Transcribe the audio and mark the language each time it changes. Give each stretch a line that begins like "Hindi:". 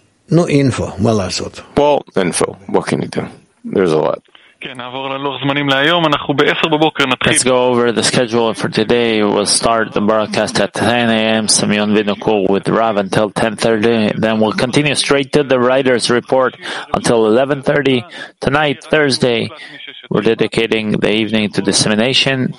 English: no info,
Hebrew: מה לעשות?
English: Well, info, what can you do? There's a lot.
Hebrew: כן, נעבור ללוח זמנים להיום, אנחנו ב-10 בבוקר נתחיל.
English: Let's go over the schedule for today. We'll start the broadcast at 10 a.m. Simeon Vinokur with Rav until 10:30. Then we'll continue straight to the writer's report until 11:30. Tonight, Thursday, we're dedicating the evening to dissemination.